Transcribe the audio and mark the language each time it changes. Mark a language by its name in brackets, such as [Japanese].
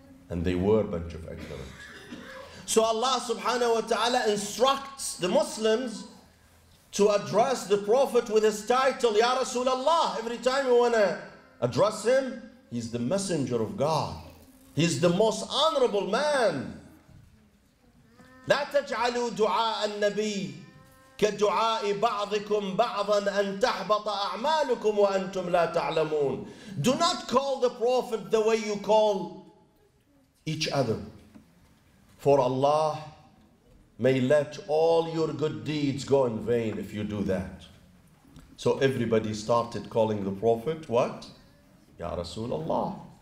[English] And they were a bunch of ignorant. So Allah subhanahu wa ta'ala instructs the Muslims to address the Prophet with his title, Ya Rasulallah. Every time you want to address him, he's the messenger of God. He's the most honorable man. [Arabic] لا تجعلوا دعاء النبي كدعاء بعضكم بعضا أن تحبط أعمالكم وأنتم لا تعلمون. [English] Do not call the Prophet the way you call each other. For Allah may let all your good deeds go in vain if you do that. So everybody started calling the Prophet what? Ya Rasulallah.